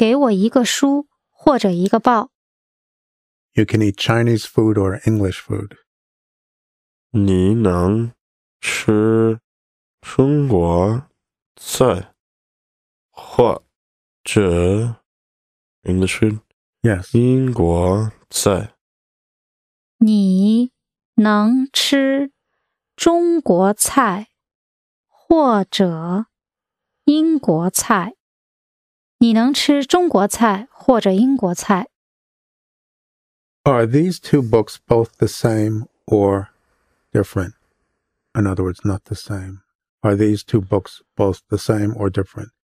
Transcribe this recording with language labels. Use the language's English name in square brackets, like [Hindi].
[Chinese] 一个书或者一个报请给我一个书或者一个报. [English] You can eat Chinese food or English food. [Chinese] 你能吃中国菜或 [English] English food? Yes. [Chinese] 英国菜. 你能吃中国菜或者英国菜. 你能吃中国菜或者英国菜. [English] Are these two books both the same or different? In other words, not the same. Are these two books both the same or different?